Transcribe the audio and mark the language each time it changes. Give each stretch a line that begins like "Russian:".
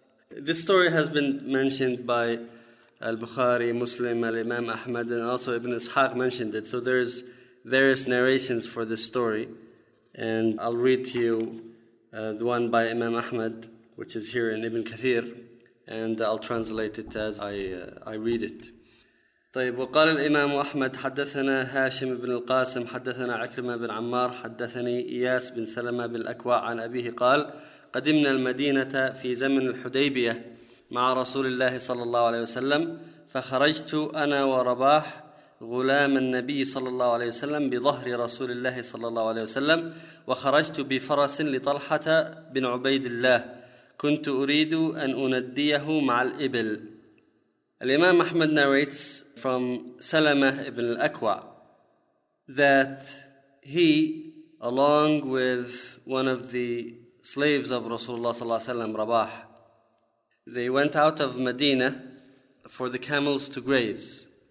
English: This story has been mentioned by al-Bukhari, Muslim, al-Imam Ahmad, and also Ibn Ishaq mentioned it. So there's various narrations for this story, and I'll read to you the one by Imam Ahmad, which is here in Ibn Kathir, and I'll translate it as I read it.
Arabic: طيب وقال الإمام أحمد حدثنا هاشم بن القاسم حدثنا عكرمة بن عمار حدثني إياس بن سلمة بالأكوع عن أبيه قال قدمنا المدينة في زمن الحديبية مع رسول الله صلى الله عليه وسلم فخرجت أنا ورباح غلام النبي صلى الله عليه وسلم بظهر رسول الله صلى الله عليه وسلم وخرجت بفرس لطلحة بن عبيد الله كنت أريد أن أنديه مع الإبل.
English: الإمام أحمد narrates from Salama ibn al-Akwa that he, along with one of the slaves of Rasulullah sallallahu alaihi wasallam, Rabah, they went out of Medina for the camels to graze.